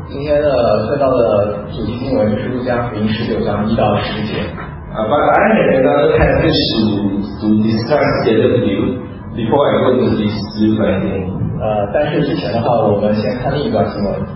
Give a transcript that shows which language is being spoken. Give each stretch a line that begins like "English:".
Chinese: 今天的最高的主题经文就是路加福音十九章一到十节。
English: But I have another passage to discuss together with you before I go into this Luke 19.
Chinese: 但是之前的话，我们先看另一段经文。